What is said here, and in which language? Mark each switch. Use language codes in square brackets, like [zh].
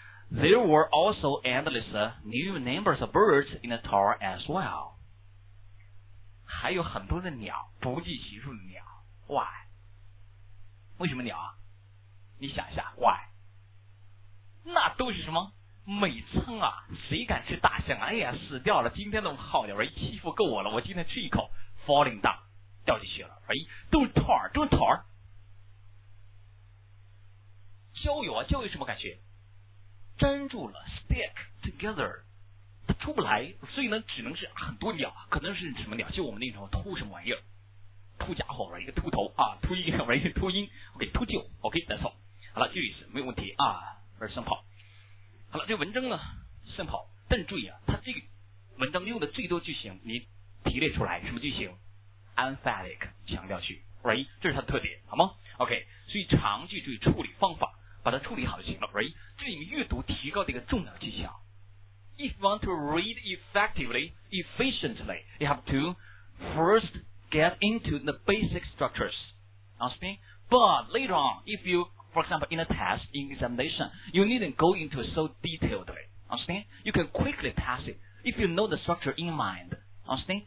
[en] There were also endless new numbers of birds in the tar as well. [zh] 还有很多的鸟，不计其数的鸟。 Why? 为什么鸟啊？你想一下 ，Why? 那都是什么美餐啊？谁敢吃大象啊？哎呀，死掉了！今天那么好点，欺负够我了，我今天吃一口 ， [en] falling down， [zh] 掉进去了，哎，都是 tar， 都是 tar。焦油啊，焦油什么感觉？粘住了 [en] stick together， [zh] 它出不来，所以呢，只能是很多鸟，可能是什么鸟？就我们那种秃什么玩意儿，秃家伙玩意儿，秃头啊，秃鹰玩意儿，秃鹰 ，OK， 秃鹫 ，OK， 没错，好了，就意思没有问题啊 ， [en] very simple。 [zh] 好了，这个文章呢 ，simple， 但是注意啊，它这个文章用的最多句型，你提炼出来什么句型 ？emphatic 强调句 ，right， 这是它的特点，好吗 ？OK， 所以长句注意处理方法。把它处理好就行了 ，right？这里面阅读提高的一个重要技巧。 [en] If you want to read effectively, efficiently, you have to first get into the basic structures. Understand? But later on, if you, for example, in a test, in examination, you needn't go into it so detailedly. Understand? You can quickly pass it if you know the structure in mind. Understand?